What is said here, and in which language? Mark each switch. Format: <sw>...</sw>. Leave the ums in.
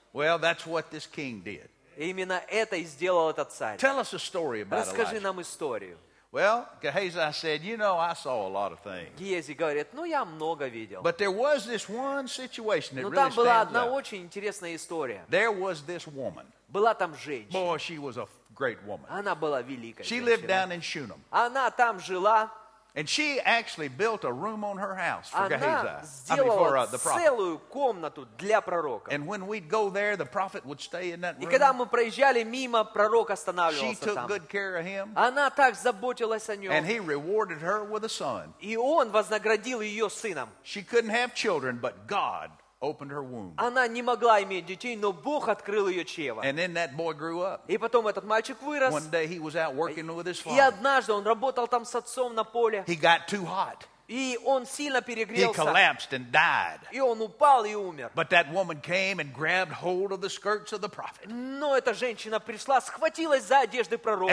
<ru>Well, и Именно это и сделал этот царь. Расскажи нам историю.</ru> <en>Well, Gehazi I said, you know, I saw a lot of things.</en> <ru>Гиези говорит, ну я много видел.</ru> <en>But there was this one situation that</en> <ru>Но</ru> <en>really</en> <ru>там была одна</ru> <en>up.</en> <ru>очень интересная история.</ru> <en>There was this woman.</en> <ru>Была там женщина.</ru> <en>Boy, she was a great woman.</en> <ru>Она была великая.</ru> <en>She lived down in Shunem.</en> <ru>Она там жила.</ru> <en>And she actually built a room on her house for Gehazi. I mean for uh, the prophet. And when we'd go there, the prophet would stay in that room. And She took сам. good care of him. Нем, and he rewarded her with a son. She couldn't have children, but God opened her womb.</en> <ru>Она не могла иметь детей, но Бог открыл ее чрево.</ru> <en>And then that boy grew up.</en> <ru>И потом этот мальчик вырос.</ru> <en>One day he was out working with his father.</en> <ru>И однажды он работал там с отцом на поле.</ru> <en>He got too hot.</en> <ru>И он сильно перегрелся.</ru> <en>He collapsed and died.</en> <ru>И он упал и умер.</ru> <en>But that woman came and grabbed hold of the skirts of the prophet.</en> <ru>Но эта женщина пришла, схватилась за одежды пророка.</ru>